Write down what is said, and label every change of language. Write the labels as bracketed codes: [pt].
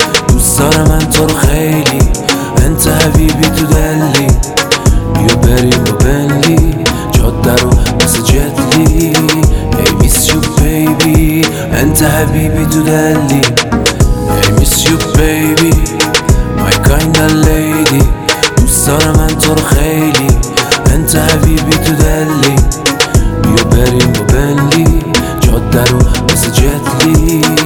[fa] دوست دارم من تو رو خیلی، [ar] انت حبیبی [fa] تو دلی. بیا بریم با بنلی جاده رو مثل جتلی. [en] I miss you baby, [ar] انت حبیبی [fa] تو دلی. [en] I miss you baby, my kind of lady. [fa] دوست دارم من تو رو خیلی، [ar] انت حبیبی [fa] تو دلی. بیا بریم با بنلی جاده رو مثل جتلی.